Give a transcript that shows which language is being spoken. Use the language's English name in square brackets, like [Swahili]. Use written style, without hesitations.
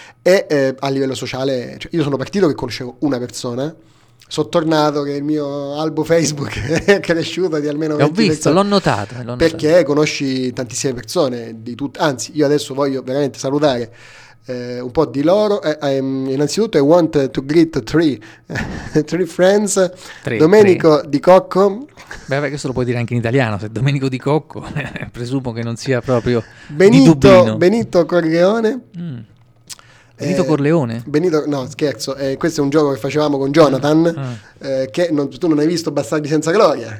[Italian] E a livello sociale, cioè, io sono partito che conoscevo una persona. Sono tornato che il mio albo Facebook è cresciuto di almeno 20 persone. L'ho notato. Perché conosci tantissime persone, anzi io adesso voglio veramente salutare un po' di loro. Innanzitutto [English] I want to greet three friends. [Italian] Domenico Di Cocco. Beh, questo lo puoi dire anche in italiano, se Domenico Di Cocco, presumo che non sia proprio Benito, di Dublino. Benito Corleone. Benito Corleone? Questo è un gioco che facevamo con Jonathan, che tu non hai visto Bastardi senza Gloria.